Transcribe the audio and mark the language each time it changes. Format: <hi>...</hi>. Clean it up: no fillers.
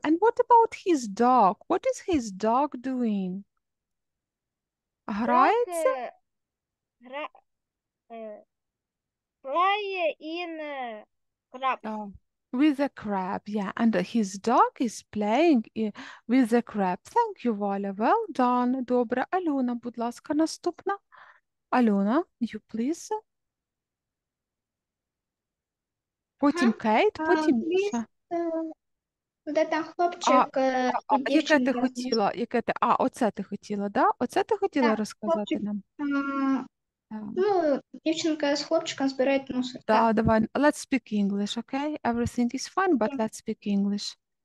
<en>And what about his dog? What is his dog doing?</en> <uk>Грається? Грає</uk> <en>in a crab. Oh, with a crab, yeah. And his dog is playing with a crab. Thank you, Валя. Well done. Добре.</en> <uk>Альона, будь ласка, наступна.</uk> <en>Альона, you please.</en> <uk>Потім Кейт, потім Міша. де там хлопчик і дівчинка. Яке ти хотіла? Яке ти? А, оце ти хотіла, да? Оце ти хотіла так, розказати хлопчик, нам? Ну, дівчинка з хлопчиком збирають мусор. Да, так, давай.</uk> <en>Let's speak English, okay? Everything is fine, but okay, let's speak English.</en>